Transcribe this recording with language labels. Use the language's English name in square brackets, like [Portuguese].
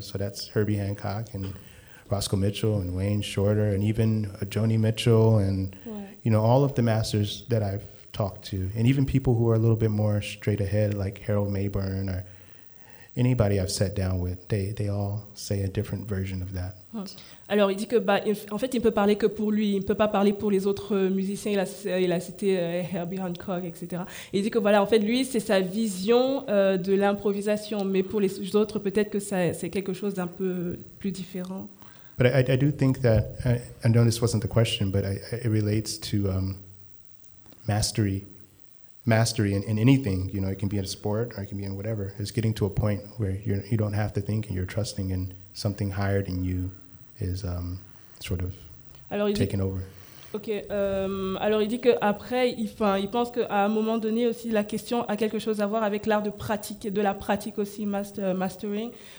[English] So that's Herbie Hancock and Roscoe Mitchell and Wayne Shorter and even Joni Mitchell and, you know, all of the masters that I've talked to. And even people who are a little bit more straight ahead, like Harold Mayburn or anybody I've sat down with, they all say a different version of that. [French] Alors, il dit que, bah, en fait, il ne peut parler que pour lui. Il ne peut pas parler pour les autres musiciens. Il a cité Herbie Hancock, etc. Et il dit que, voilà, en fait, lui, c'est sa vision de l'improvisation. Mais pour les autres, peut-être que ça, c'est quelque chose d'un peu plus différent. [English] But I do think that, I know this wasn't the question, but it relates to mastery in anything. You know, it can be in a sport or it can be in whatever. It's getting to a point where you don't have to think and you're trusting in something higher than you. Is sort of taken over. Okay. [French] Alors il dit que après, il pense qu'à un moment donné aussi la question a quelque chose à voir avec l'art de pratique, de la pratique aussi, mastering.